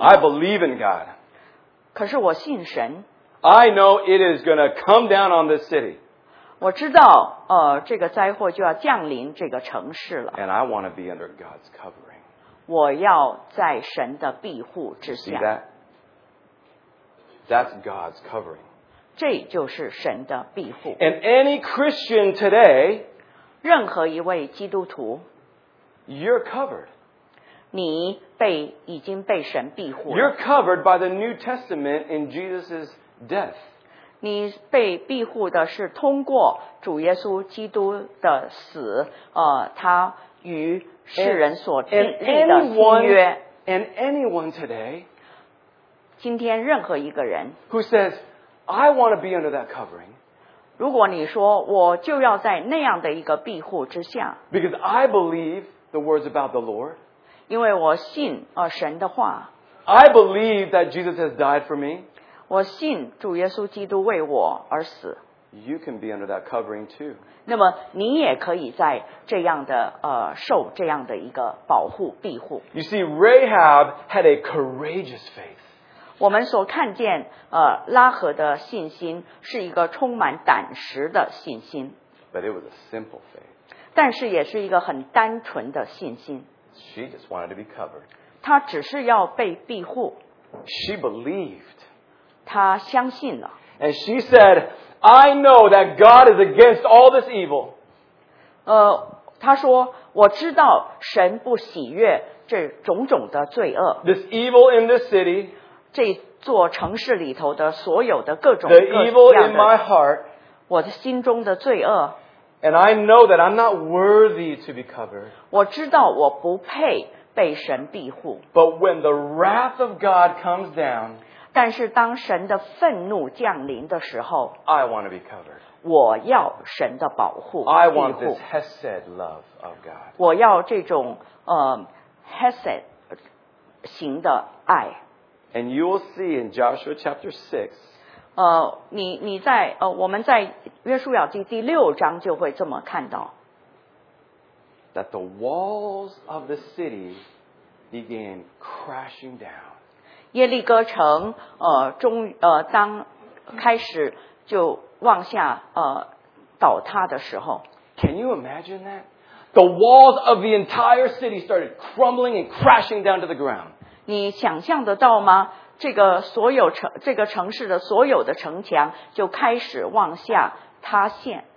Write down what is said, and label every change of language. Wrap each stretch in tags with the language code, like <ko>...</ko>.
<en>I believe in God.</en> <zh>可是我信神。</zh> <en>I know it is going to come down on this city.</en> <zh>我知道这个灾祸就要降临这个城市了。</zh> <en>And I want to be under God's covering.</en> <zh>我要在神的庇护之下。</zh> <en>See that? That's God's covering.</en> <zh>这就是神的庇护。</zh> <en>And any Christian today,</en> <zh>任何一位基督徒</zh> <en>you're covered.</en> <zh>你被已经被神庇护了。</zh> <en>You're covered by the New Testament in Jesus' death.</en> <zh>你被庇护的是通过主耶稣基督的死他与世人所立的新约</zh> <en>and anyone today</en> <zh>今天任何一个人</zh> <en>who says I want to be under that covering</en> <zh>如果你说我就要在那样的一个庇护之下</zh> <en>because I believe the words about the Lord</en> <zh>因为我信神的话</zh> <en>I believe that Jesus has died for me</en> <zh>我信主耶稣基督为我而死。</zh> <en>You can be under that covering too.</en> <zh>那么你也可以在这样的受这样的一个保护庇护。</zh> <en>You see, Rahab had a courageous faith.</en> <zh>我们所看见拉合的信心是一个充满胆识的信心。</zh> <en>But it was a simple faith.</en> <zh>但是也是一个很单纯的信心。</zh> <en>She just wanted to be covered.</en> <zh>她只是要被庇护。</zh> <en>She believed.</en> <zh>他相信了</zh> <en>And she said, I know that God is against all this evil.</en> <zh>他说我知道神不喜悦这种种的罪恶</zh> <en>This evil in this city.</en> <zh>这座城市里头的所有的各种各样的</zh> <en>The evil in my heart.</en> <zh>我的心中的罪恶</zh> <en>And I know that I'm not worthy to be covered.</en> <zh>我知道我不配被神庇护</zh> <en>But when the wrath of God comes down,</en> <zh>但是当神的愤怒降临的时候</zh> <en>I want to be covered.</en> <zh>我要神的保护</zh> <en>I want this hesed love of God.</en> <zh>我要这种hesed 型的爱</zh> <en>And you will see in Joshua chapter 6</en> <zh>你在我们在约书亚记第六章就会这么看到</zh> <en>That the walls of the city began crashing down.</en> <zh>耶利哥城当开始就往下倒塌的时候</zh> <en>Can you imagine that? The walls of the entire city started crumbling and crashing down to the ground.</en> <zh>你想象得到吗？这个所有城这个城市的所有的城墙就开始往下塌陷</zh>